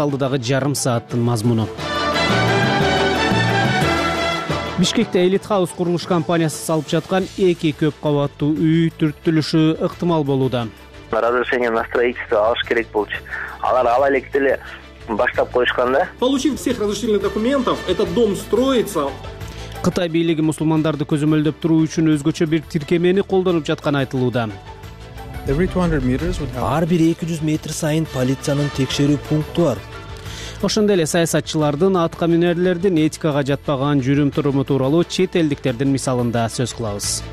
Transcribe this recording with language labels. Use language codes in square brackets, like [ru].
[ky] Алдыдагы жарым сааттын мазмуну. Бишкекте Elite House курулуш компаниясы салып жаткан 2 көп кабаттуу үй түрттүлүшү ыктымал болууда. [ru] Разы сенге на строительство [ky] алыш керек болчу. Алар ала электе эле баштап коюшкан да. [ru] Получив всех разрешительных документов, этот дом строится. [ky] Кытай бийлиги мусулмандарды көзөмөлдөп туруу үчүн өзгөчө бир тиркемени колдонуп жатканы айтылууда. Ар бир 200 метр сайын полициянын текшерүү пункту бар. Ошондой эле саясатчылардын, аткаминерлердин этикага жатпаган жүрүм туруму тууралуу чет элдиктердин мисалында сөз кылабыз.